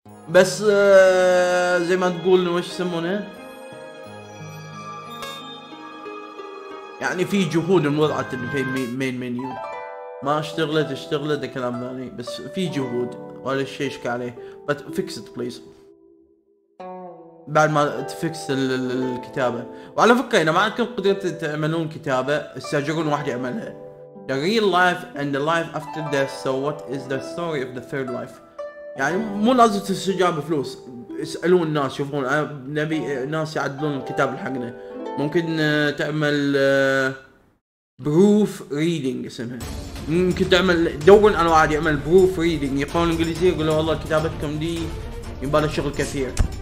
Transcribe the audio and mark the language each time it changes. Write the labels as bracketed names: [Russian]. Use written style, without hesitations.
[Arabic] بس زي ما تقول وش يسمونه يعني في جهود وضعت في main menu ما اشتغلت اشتغلت كلام ثاني، بس في جهود ولا شيء يشك عليه. [English] But fix it please. [Arabic] بعد ما تفكس الكتابة. وعلى فكرة إذا ما عندكم قدرة تعملون كتابة استأجرون واحد يعملها. [English] The real life and the life after death. So what is the story of the third life? [Arabic] يعني مو لازم تستأجر بفلوس. اسألون الناس شوفون نبي ناس يعدلون الكتاب حقنا. ممكن تعمل proof reading اسمها. ممكن تعمل دور انا واحد يعمل بروف ريدنج يقول انجليزي يقول والله كتابتكم دي يبغى لها شغل كثير